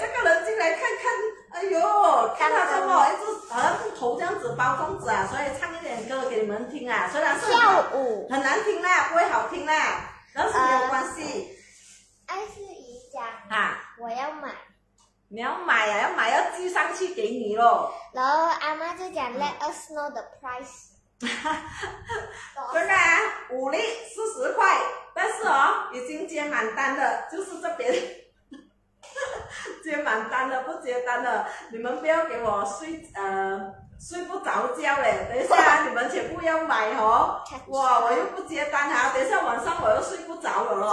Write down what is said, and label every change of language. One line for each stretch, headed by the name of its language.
Chinese: 这个人进来看看，哎呦，看他怎么一直头这样子包粽子啊，所以唱一点歌给你们听啊。虽然是很跳舞很难听啦，不会好听啦，但是没有关系。艾斯姨讲啊，我要买。你要买啊，要买要寄上去给你喽。然后阿妈就讲 ，
English: Let us know the price。
Chinese: 真的啊，五粒40块，但是哦，已经接满单的，就是这边接满单的，不接单的，你们不要给我睡不着觉嘞。等一下，你们全部要买哦。哇，我又不接单啊，等一下晚上我又睡不着了咯。